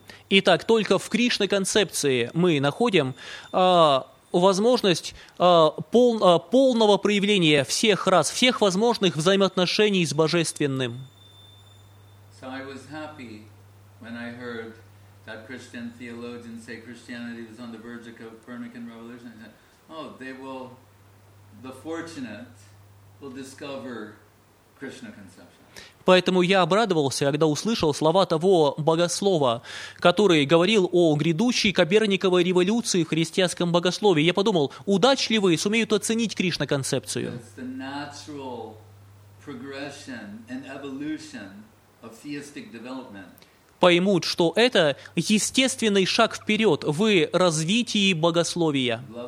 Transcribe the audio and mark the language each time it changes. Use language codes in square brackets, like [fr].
[ru] Итак, только в Кришна-концепции мы находим возможность полного проявления всех рас, всех возможных взаимоотношений с Божественным. [en] So I was happy when I heard that Christian theologian say Christianity was on the verge of Copernican revolution. I said, oh, the fortunate will discover Krishna conception. [ru] Поэтому я обрадовался, когда услышал слова того богослова, который говорил о грядущей Коперниковой революции в христианском богословии. Я подумал, удачливые сумеют оценить Кришна-концепцию. [en] It's the natural progression and evolution of theistic development. [ru] Поймут, что это естественный шаг вперед в развитии богословия.